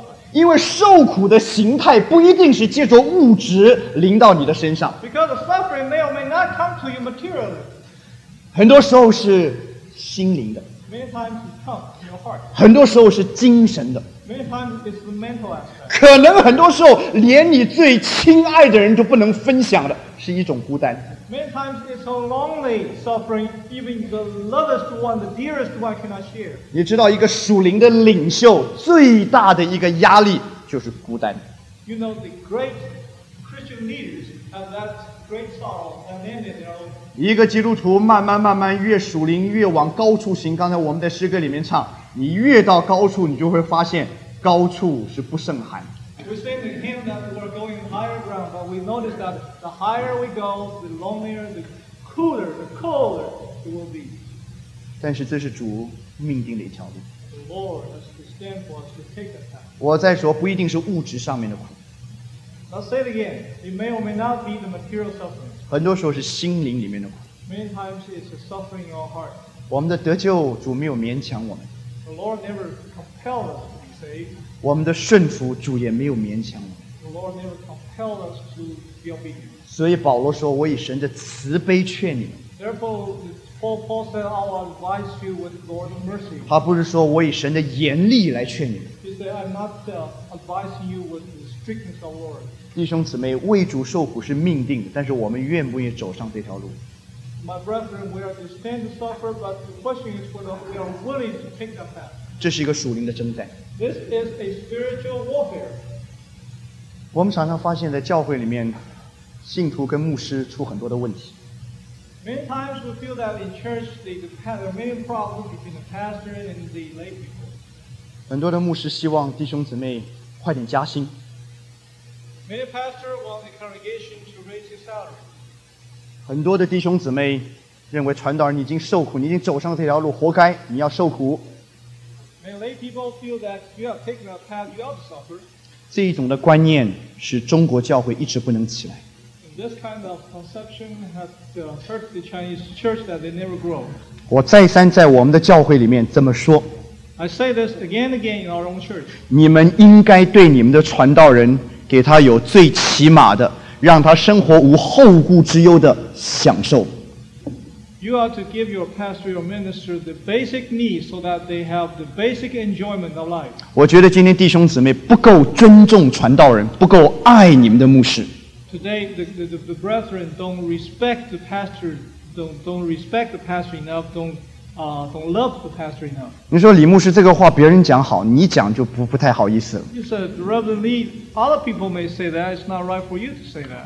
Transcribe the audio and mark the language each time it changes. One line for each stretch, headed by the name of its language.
Chinese: 因为受苦的形态不一定是借着物质临到你的身上。
English: Because the suffering may or may not come to you materially.
Chinese: 很多时候是心灵的。
English: Many times it comes to your heart.
Chinese: 很多时候是精神的。
English: Many times it's the mental aspect.
Chinese: 可能很多时候连你最亲爱的人都不能分享的是一种孤单。
English: Many times it's so lonely suffering, even the lovest one, the dearest one cannot share.
Chinese: 你知道一个属灵的领袖最大的一个压力就是孤单。
English: You know the great Christian leaders have that great sorrow and end in their own.
Chinese: 一个基督徒慢慢慢慢越属灵越往高处行，刚才我们在诗歌里面唱，你越到高处你就会发现高处是不胜寒。
English: We sing the hymn that we're going higher ground, but we notice that the higher we go, the lonelier, the cooler, the colder it will be.
Chinese: 但是这是主命定的一条路。
English: The Lord has destined for us to take that path.
Chinese: 我再说，不一定是物质上面的苦。
English: I'll say it again. It may or may not be the material suffering.
Chinese: 很多时候是心灵里面的苦。
English: Many times it's a suffering in our heart.
Chinese: 我们的得救，主没有勉强我们。
English: The Lord never compelled us to be saved.
Chinese: 我们的顺服，主也没有勉强我们。
English: The Lord never compelled us to be obedient.
Chinese: 所以保罗说：“我以神的慈悲劝你们。”
English: Therefore, Paul said, "I will advise you with the Lord's mercy."
Chinese: 他不是说我以神的严厉来劝你们。
English: He said, "I'm not advising you with the strictness of the Lord."
Chinese: 弟兄姊妹，为主受苦是命定的，但是我们愿不愿意走上这条路
English: ？My brethren, we are destined to suffer, but the question is whether we are willing to take that path.
Chinese: 这是一个属灵的征战。
English: This is a spiritual warfare.
Chinese: 我们常常发现在教会里面信徒跟牧师出很多的问题。
English: Many times we feel that in church there are many problems between the pastor and the lay people.
Chinese: 很多的牧师希望弟兄姊妹快点加薪。
English: Many pastors want the congregation to raise his salary.
Chinese: 很多的弟兄姊妹认为传道人已经受苦，你已经走上这条路，活该，你要受苦。
English: And lay people feel that you have taken a path, you have to suffer.
Chinese: 这一种的观念是中国教会一直不能起来。
English: And this kind of conception has hurt the Chinese church that they never grow.
Chinese: 我再三在我们的教会里面这么说。
English: I say this again and again in our own church.
Chinese: 你们应该对你们的传道人给他有最起码的，让他生活无后顾之忧的享受。
English: You are to give your pastor, your minister, the basic needs so that they have the basic enjoyment of life.
Chinese: 我觉得今天弟兄姊妹不够尊重传道人，不够爱你们的牧师。
English: Today, the brethren don't respect the pastor enough, don't love the pastor enough.
Chinese: 你说李牧师这个话别人讲好，你讲就不太好意思了。
English: You said, Reverend Lee, other people may say that it's not right for you to say that.